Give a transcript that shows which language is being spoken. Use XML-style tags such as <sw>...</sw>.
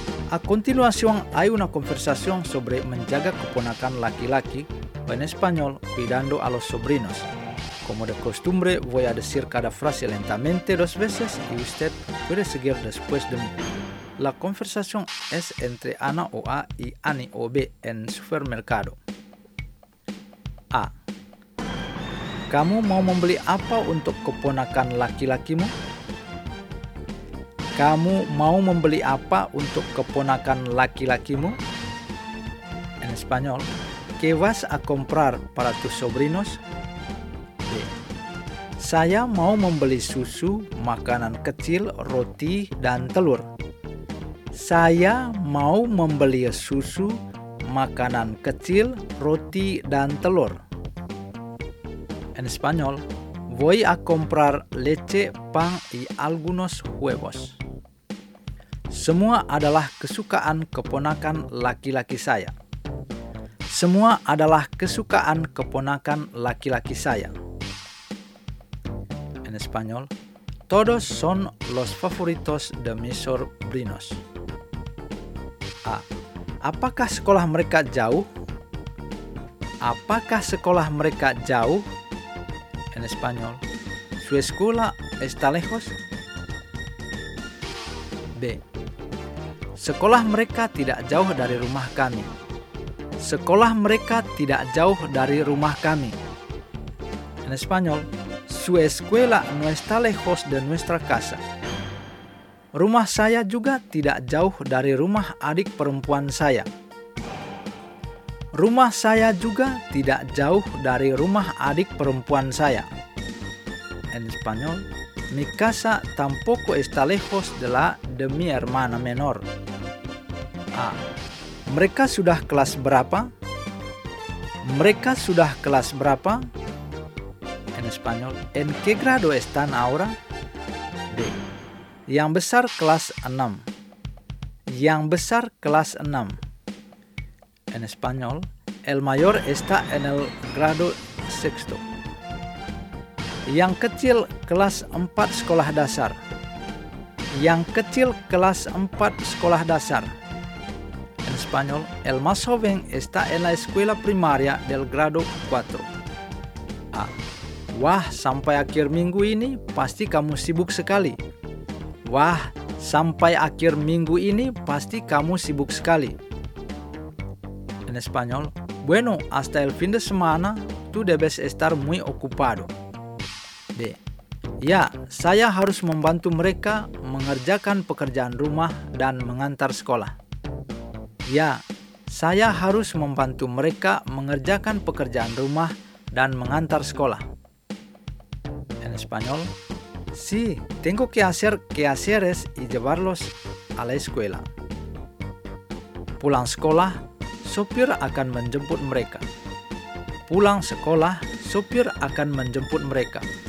<es>A continuación hay una conversación sobre</es> <id>menjaga keponakan laki-laki</id> <es>en español cuidando a los sobrinos. Como de costumbre voy a decir cada frase lentamente dos veces y usted puede seguir después de mí. La conversación es entre Ana o A y Ani o B en supermercado. A.</es> <id>¿Kamu mau membeli apa untuk keponakan laki-lakimu? Kamu mau membeli apa untuk keponakan laki-lakimu?</id> <es>En español, ¿qué vas a comprar para tus sobrinos?</es> <id>B. Saya mau membeli susu, makanan kecil, roti, dan telur. Saya mau membeli susu, makanan kecil, roti, dan telur.</id> <es>En español, voy a comprar leche, pan y algunos huevos.</es> <id>Semua adalah kesukaan keponakan laki-laki saya. Semua adalah kesukaan keponakan laki-laki saya.</id> <es>En español, todos son los favoritos de mis sobrinos. A.</es> <id>Apakah sekolah mereka jauh? Apakah sekolah mereka jauh?</id> <es>En español, ¿su escuela está lejos? B.</es> <id>Sekolah mereka tidak jauh dari rumah kami. Sekolah mereka tidak jauh dari rumah kami.</id> <es>En español, su escuela no está lejos de nuestra casa.</es> <id>Rumah saya juga tidak jauh dari rumah adik perempuan saya. Rumah saya juga tidak jauh dari rumah adik perempuan saya.</id> <es>En español, mi casa tampoco está lejos de la de mi hermana menor. A.</es> <id>Mereka sudah kelas berapa? Mereka sudah kelas berapa?</id> <es>En español, ¿en qué grado están ahora? B.</es> <id>Yang besar kelas 6. Yang besar kelas 6.</id> <es>En español, el mayor está en el grado sexto.</es> <id>Yang kecil kelas 4 sekolah dasar. Yang kecil kelas 4 sekolah dasar.</id> <es>En español, el más joven está en la escuela primaria del grado 4. A.</es> <id>Wah, sampai akhir minggu ini pasti kamu sibuk sekali. Wah, sampai akhir minggu ini pasti kamu sibuk sekali.</id> <es>En español, bueno, hasta el fin de semana tú debes estar muy ocupado. D.</es> <id>Ya, saya harus membantu mereka mengerjakan pekerjaan rumah dan mengantar sekolah. Ya, saya harus membantu mereka mengerjakan pekerjaan rumah dan mengantar sekolah.</id> <es>En español, sí, tengo que hacer quehaceres y llevarlos a la escuela.</es> <id>Pulang sekolah, sopir akan menjemput mereka. Pulang sekolah, sopir akan menjemput mereka.</id>